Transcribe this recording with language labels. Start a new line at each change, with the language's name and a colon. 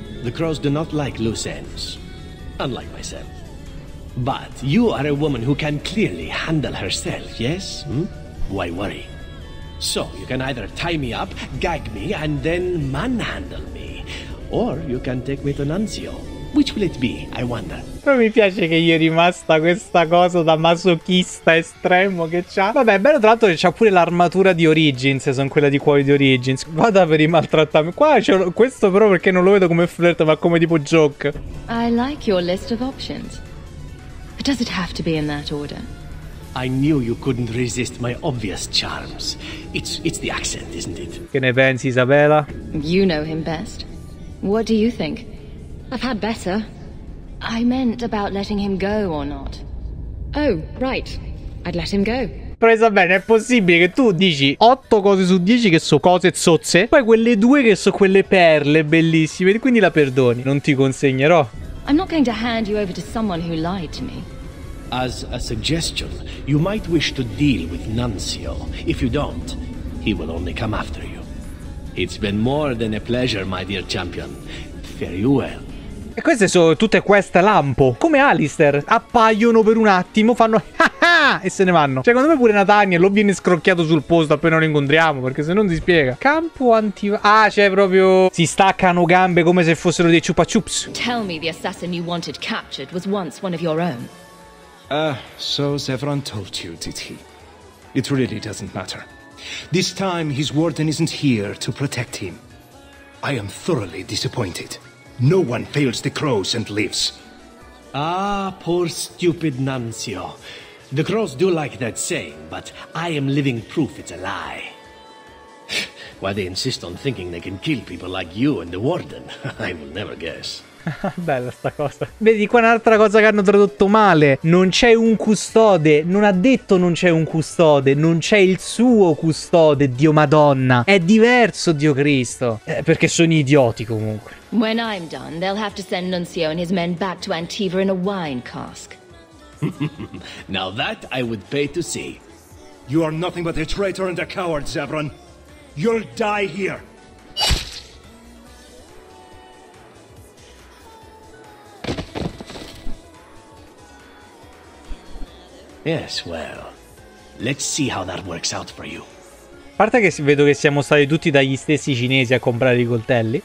English: The crows do not like loose ends, unlike myself. But you are a woman who can clearly handle herself, yes? Why worry? So, you can either tie me up, gag me, and then manhandle me. Or you can take me to Nunzio. Which will it be, I wonder?
Italian: Però mi piace che gli è rimasta questa cosa da masochista estremo che c'ha. Vabbè, bello tra l'altro che c'ha pure l'armatura di Origins, sono quella di cuori di Origins. Vada per i maltrattamenti. Qua c'è questo però perché non lo vedo come flirt, ma come tipo joke.
English: I like your list of options. Does it have to be in that order? I knew you couldn't resist my obvious charms. It's the accent, isn't it?
Italian: Che ne pensi, Isabella?
English: You know him best. What do you think? I've had better. I meant about letting him go or not. Oh, right. I'd let him go.
Italian: Presa bene, è possibile che tu dici 8 cose su 10 che sono cose zozze, poi quelle due che sono quelle perle bellissime, quindi la perdoni. Non ti consegnerò.
English: I'm not going to hand you over to someone who lied to me. As a suggestion, you might wish to deal with Nunzio. If you don't, he will only come after you. It's been more than a pleasure, my dear champion. Fare you well.
Italian: E queste sono tutte queste lampo. Come Alistair. Appaiono per un attimo, fanno e se ne vanno. Secondo me pure Nathaniel lo viene scrocchiato sul posto appena lo incontriamo, perché se non si spiega. Campo anti... Ah, c'è proprio... Si staccano gambe come se fossero dei chupa chups.
English: Tell me the assassin you wanted captured was once one of your own. So Zevran told you, did he? It really doesn't matter. This time his warden isn't here to protect him. I am thoroughly disappointed. No one fails the crows and lives. Ah, poor stupid Nunzio. The crows do like that saying, but I am living proof it's a lie. Why they insist on thinking they can kill people like you and the warden, I will never guess.
Italian: Bella sta cosa. Vedi qua un'altra cosa che hanno tradotto male. Non c'è un custode. Non ha detto non c'è un custode. Non c'è il suo custode, Dio Madonna. È diverso, Dio Cristo. Perché sono idioti comunque.
English: When I'm done, they'll have to send Nunzio and his men back to Antiva in a wine cask. Now that I would pay to see. You are nothing but a traitor and a coward, Zevran. You'll die here. Yes, well, let's see how that works out for you.
Italian: A parte che vedo che siamo stati tutti dagli stessi cinesi a comprare i coltelli.